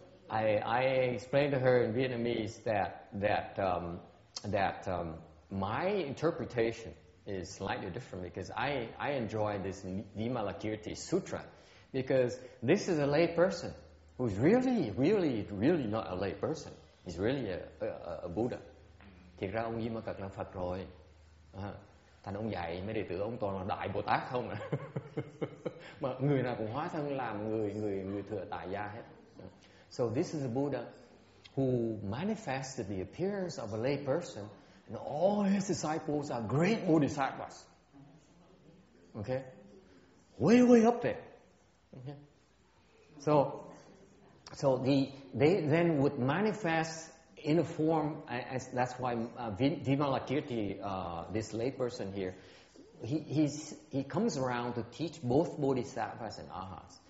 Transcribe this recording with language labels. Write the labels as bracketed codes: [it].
[en] I explained to her in Vietnamese that my interpretation is slightly different because I enjoy this Vimalakirti Sutra. Because this is a lay person who's really, really, really not a lay person. He's really a Buddha. [vi] Thiệt ra ông Di Ma Cật là Phật rồi. Thành ông dạy mấy đệ tử ông toàn là đại Bồ Tát không à. Mà người nào cũng hóa thân làm người thừa tại gia hết. [en] So this is the Buddha who manifested the appearance of a lay person, and all his disciples are great bodhisattvas. Okay? Way, way up there. Okay. So they then would manifest in a form, as that's why Vimalakirti, this lay person here, he comes around to teach both bodhisattvas and arhats.